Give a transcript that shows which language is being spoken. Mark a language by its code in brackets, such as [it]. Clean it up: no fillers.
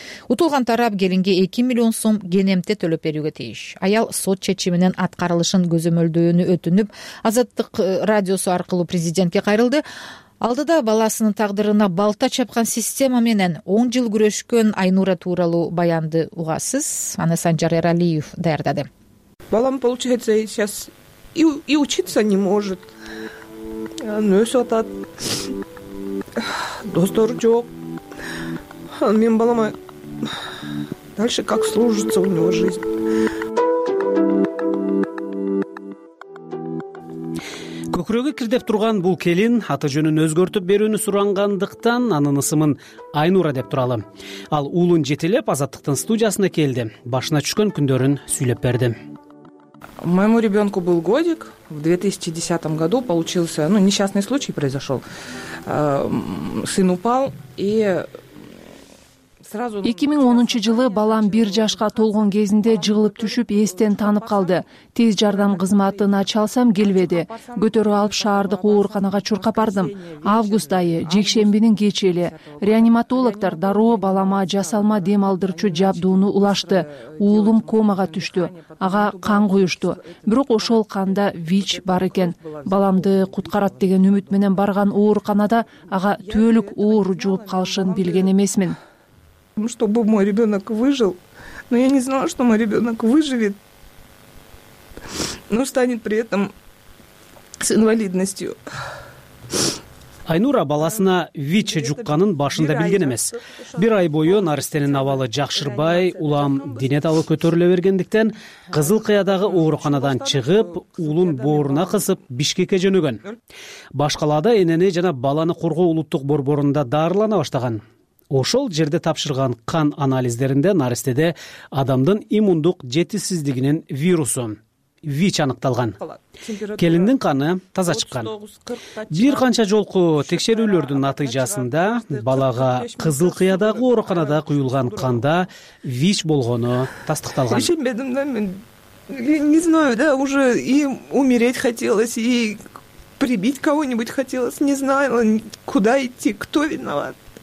[ky] Утулган тарап келинге 2 миллион сом кенемте төлөп берүүгө тийиш. Аял сот чечиминин аткарылышын көзөмөлдөөнү өтүнүп, Азаттык радиосу аркылуу президентке кайрылды. Алдыда баласынын тагдырына балта чапкан система менен 10 жыл күрөшкөн Айнура тууралуу баянды угасыз. Аны Санжар Эралиев даярдады. Балам, [ru] получается, сейчас и учиться не может. Он [ky] өсүп атат. Достору жок. Мен балама [ru] дальше как сложится у него жизнь. [ky] көкүрөгү кирдеп турган бул келин аты жөнүн өзгөртүп берүүнү сурангандыктан анын ысымын Айнура деп туралы. Ал уулун жетелеп Азаттыктын студиясына келди, башына түшкөн күндөрүн сүйлөп берди. [ru] Моему ребенку был годик в 2010 году, получился, ну, несчастный случай произошел. Сын упал и [ky] 2010 жылы балам 1 жашка толгон кезинде жыгылып түшүп эстен танып калды. Тез жардам кызматына чалсам келбеди. Көтөрүп алып шаардык ооруканага чуркап бардым. Август айы, жекшембинин кечи эле реаниматологдор дароо балама жасалма дем алдырчу жабдууну улашты. Уулум комага түштү. Ага кан куюшту. Бирок ошол канда ВИЧ бар экен. Баламды куткарат деген үмүт менен барган ооруканада ага түбөлүк оору жугуп калышын билген эмесмин. [ru] Чтобы мой ребенок выжил, но я не знала, что мой ребенок выживет, но станет при этом с инвалидностью. [ky] Айнура баласына ВИЧ жукканын башында билген эмес. Бир ай бою наристенин абалы жакшырбай, улам дене дагы көтөрүлө бергендиктен Кызыл Кыядагы ооруканадан чыгып, уулун бооруна кысып Бишкекке жөнөгөн. Баш калада энени жана баланы коргоо улуттук борборунда дарылана баштаган. Ошол жерде тапшырган кан анализдеринде наристеде адамдын иммундук жетишсиздигинин вирусу ВИЧ аныкталган. Келиндин каны таза чыккан. Бир канча жолку текшерүүлөрдүн натыйжасында балага Кызыл Кыядагы ооруканада куюлган канда ВИЧ болгону тастыкталган. Ишенбедим да мен. [ru] Не знаю, да, уже и умереть хотелось, и прибить кого-нибудь хотелось, не знала, куда идти, кто виноват.